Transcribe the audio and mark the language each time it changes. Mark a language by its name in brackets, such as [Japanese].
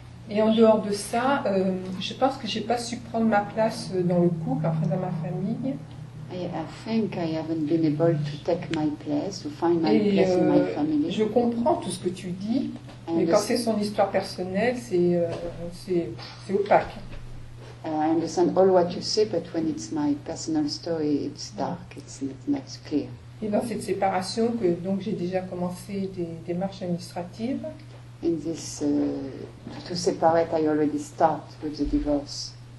[French] Et en dehors de ça, je pense que j'ai pas su prendre ma place dans le couple, enfin dans ma famille. [English] I think I haven't been able to find my place in my family. [French] Je comprends tout ce que tu dis, mais quand c'est son histoire personnelle, c'est opaque. [English] I understand all what you say, but when it's my personal story, it's dark, it's not clear. [French] Et dans cette séparation, que donc j'ai déjà commencé des démarches administratives. [English] In this, to separate, I already start with the divorce.